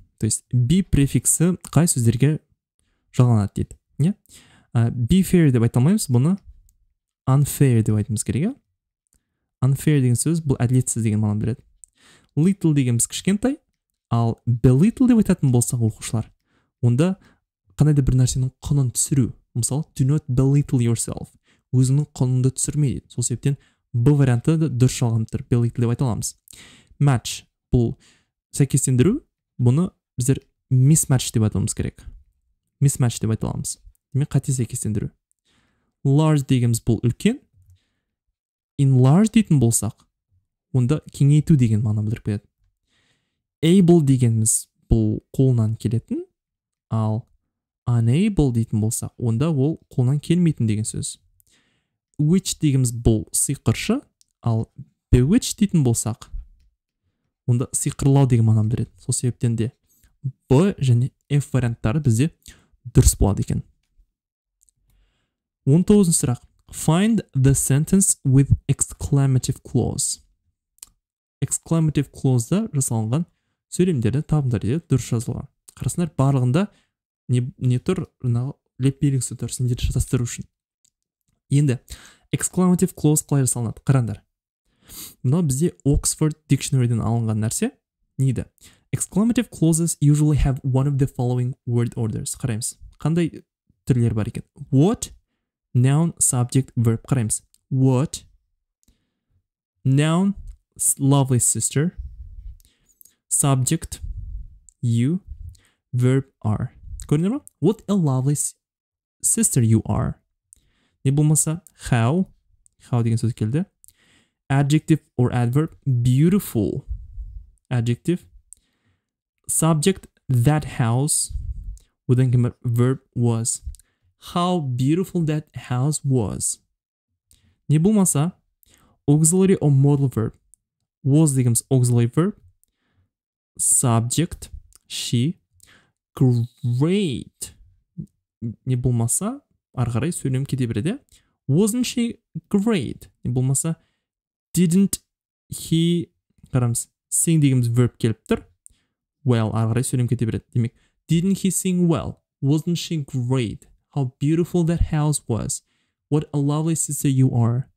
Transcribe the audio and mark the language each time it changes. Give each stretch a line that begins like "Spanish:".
Kazakh: То есть B префиксі қай сөздерге жалғанады дейді. Be fair деп айталмаймыз, бұны unfair деп айтымыз керек. Unfair деген сөз бұл әділетсіз деген мағынаны береді. Little дегеніміз кішкентай, ал belittle деп айтатын болсақ оқушылар, онда қандай да бір нәрсенің құнын түсіру. Мысалы,
English: do not belittle yourself.
Kazakh: Өзіңнің құныңды түсірме дейді. Сол себептен B варианты да дұрыс жалғандыр. Belittle деп айталамыз. Match бұл сәйкестендіру, бұны біздер mismatch деп айтамыз керек. Mismatch деп айталамыз. Демек қате сәйкестендіру. Large дегеніміз бұл үлкен. Enlarge дейтін болсақ, онда кеңейту деген мағына білдіріп кетеді. Able дегеніміз бұл қолынан келетін, ал unable дейтін болсақ, онда ол қолынан келмейтін деген сөз. Witch дегеніміз бұл сиқыршы, ал bewitch дейтін болсақ, онда сиқырлау деген мағына білдіреді. Сол себептен де B және F варианттары бізде дұрыс болады екен. 19 сұрақ.
English: Find the sentence with exclamative clause.
Kazakh: Exclamative clause-да жасалынған сөйлемдерді табыңдар деп дұрыс жазылған. Қарасыңдар, барлығында не тұр, леп белгісі тұр, сендерді шатастыру үшін. Енді exclamative clause қалай жасалынады? Қараңдар. Мынау бізде Oxford Dictionary-ден алынған нәрсе. Неді?
English: Exclamative clauses usually have one of the following word orders.
Kazakh: Қараймыз. Қандай түрлер бар екен?
English: What, noun, subject, verb.
Kazakh: Қараймыз.
English: What, noun, lovely sister, subject, you, verb, are.
Kazakh: Көріңдер ма?
English: What a lovely sister you are.
Kazakh: Не болмаса, how. How деген сөз келді.
English: Adjective or adverb, beautiful. Adjective. Subject, that house.
Kazakh: Одан кейін бар, verb, was.
English: How beautiful that house was.
Kazakh: Не болмаса,
English: auxiliary or modal verb. Was дегеніміз auxiliary verb. Subject, she. Great.
Kazakh: Не болмаса, арғарай сөйлем кете береді.
English: Wasn't she great?
Kazakh: Не болмаса,
English: didn't he,
Kazakh: қарамыз, sing дегеніміз verb келіп тұр. Well, арғарай сөйлем кете береді.
English: Демек, didn't he sing well? Wasn't she great? How beautiful that house was. What a lovely sister you are.